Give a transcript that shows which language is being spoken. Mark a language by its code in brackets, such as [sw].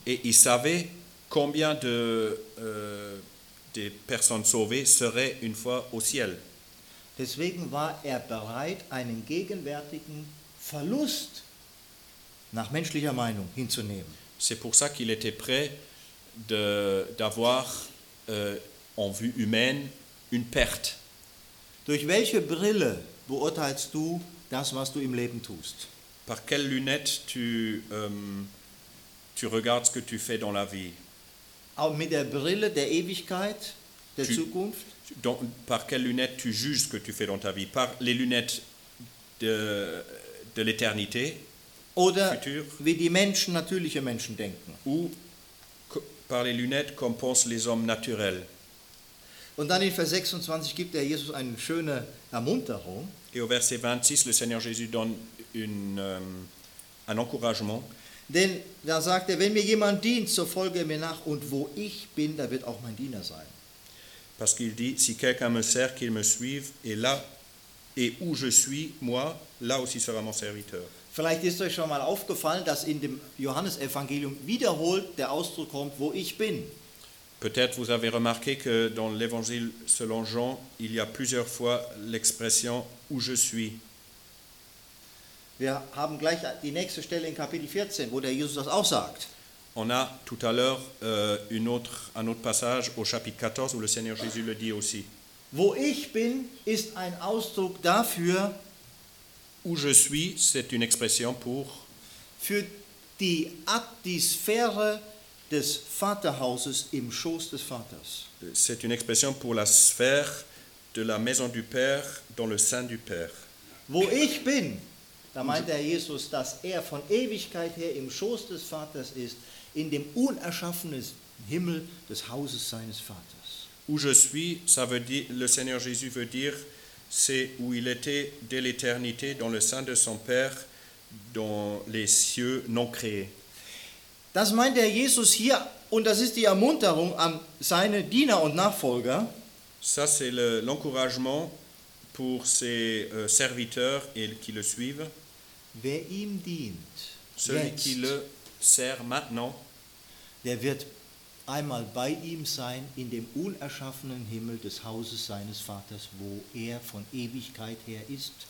[fr] Et il savait combien de des personnes sauvées seraient une fois au ciel. [de] Deswegen war er bereit, einen gegenwärtigen Verlust nach menschlicher Meinung hinzunehmen. [fr] C'est pour ça qu'il était prêt d'avoir en vue humaine une perte. [de] Durch welche Brille beurteilst du das, was du im Leben tust? [fr] Par quelle lunette tu regardes ce que tu fais dans la vie? [de] Auch mit der Brille der Ewigkeit, der Zukunft? [fr] Par quelle lunette tu juges ce que tu fais dans ta vie? Par les lunettes de l'éternité? [de] Oder wie die Menschen, natürliche Menschen denken. [fr] Ou par les lunettes comme pensent les hommes naturels. [de] Und dann in Vers 26 gibt der Jesus eine schöne Ermunterung. [fr] Et au verset 26, le Seigneur Jésus donne un encouragement. [de] Denn da sagt er, wenn mir jemand dient, so folge mir nach, und wo ich bin, da wird auch mein Diener sein. [fr] Parce qu'il dit, si quelqu'un me sert, qu'il me suive, et là, et où je suis, moi, là aussi sera mon serviteur. [de] Vielleicht ist euch schon mal aufgefallen, dass in dem Johannesevangelium wiederholt der Ausdruck kommt, wo ich bin. [fr] Peut-être vous avez remarqué que dans l'évangile selon Jean, il y a plusieurs fois l'expression où je suis. [de] Wir haben gleich die nächste Stelle in Kapitel 14, wo der Jesus das auch sagt. [fr] On a tout à l'heure un autre passage au chapitre 14 où le Seigneur Jésus le dit aussi. [de] Wo ich bin ist ein Ausdruck dafür, [fr] où je suis, c'est une expression pour [de] für die Atmosphäre des Vaterhauses im Schoß des Vaters. [fr] C'est une expression pour la sphère de la maison du Père dans le sein du Père. [de] Wo ich bin, da meint der Jesus, dass er von Ewigkeit her im Schoß des Vaters ist, in dem unerschaffenen Himmel des Hauses seines Vaters. [fr] Où je suis, ça veut dire, le Seigneur Jésus veut dire, c'est où il était dès l'éternité, dans le sein de son Père, dans les cieux non créés. [de] Das meint der Jesus hier, und das ist die Ermunterung an seine Diener und Nachfolger. [fr] Ça, c'est l'encouragement pour ses serviteurs et qui le suivent. [de] Wer ihm dient, [fr] celui jetzt, qui le sert maintenant, [de] der wird einmal bei ihm sein in dem unerschaffenen Himmel des Hauses seines Vaters, wo er von Ewigkeit her ist.